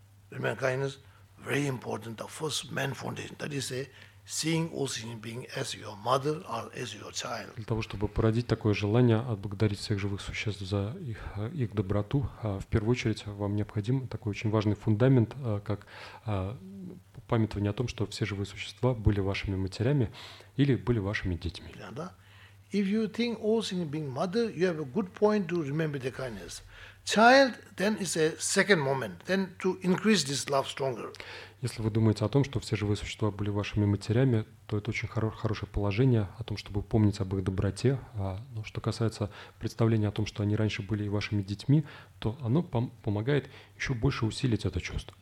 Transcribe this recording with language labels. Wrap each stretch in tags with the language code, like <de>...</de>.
<en>Remember kindness, very important, the first main foundation. That is, seeing all sentient being as your mother or as your child.</en> <ru>Для того, чтобы породить такое желание отблагодарить всех живых существ за их доброту, в первую очередь вам необходим такой очень важный фундамент, как памятование о том, что все живые существа были вашими матерями или были вашими детьми. Да.</ru> <en>If you think all sentient being mother, you have a good point to remember the kindness. Child, then is a second moment. Then to increase this love stronger.</en> <ru>Если вы думаете о том, что все живые существа были вашими матерями, то это очень хорошее положение о том, чтобы помнить об их доброте. Но что касается представления о том, что они раньше были вашими детьми, то оно помогает еще больше усилить это чувство.</ru>